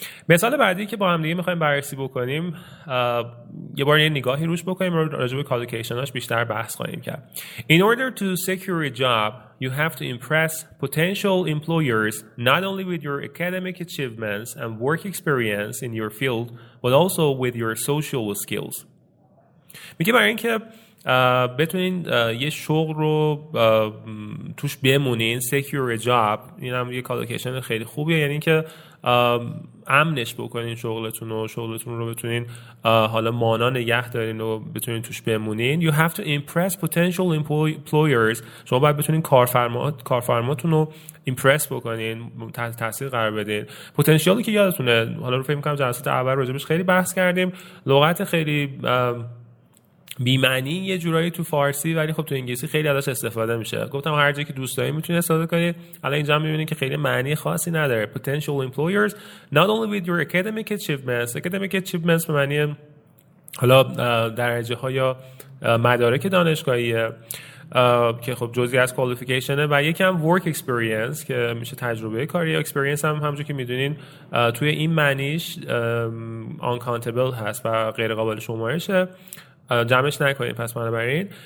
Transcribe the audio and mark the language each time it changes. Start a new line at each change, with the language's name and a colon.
Persian: مثال بعدی که با هم دیگه میخوایم بررسی بکنیم، یه بار یه نگاهی روش بکنیم و راجع به کالوکیشن‌هاش بیشتر بحث خواهیم کرد.
English: In order to secure a job, you have to impress potential employers not only with your academic achievements and work experience in your field, but also with your social skills.
Persian: میگه برای این که بتونین یه شغل رو توش بمونین، secure job، این هم یه کالوکیشن خیلی خوبیه، یعنی که امنش بکنین شغلتون و شغلتون رو بتونین حالا مانا نگه دارین و بتونین توش بمونین.
English: You have to impress potential employers،
Persian: شما باید بتونین کارفرماتون رو impress بکنین، تحت تاثیر قرار بدین. پتانسیالی که یادتونه، حالا رو فکر می‌کنم جلسات اول راجبش خیلی بحث کردیم، لغت خیلی بی‌معنی یه جورایی تو فارسی، ولی خب تو انگلیسی خیلی ازش استفاده میشه. گفتم هر جا که دوست داری میتونی استفاده کنی. الان اینجا میبینی که خیلی معنی خاصی نداره.
English: Potential employers not only with your academic achievements.
Persian: Academic achievements به معنی حالا درجه ها یا مدارک دانشگاهیه که خب جزی از کوالیفیکیشنه، و یکم work experience که میشه تجربه کاری. experience هم همونجوری که میدونین توی این معنیش uncountable هست و غیر قابل شمارشه، جمعش نکنید پس بنابراین.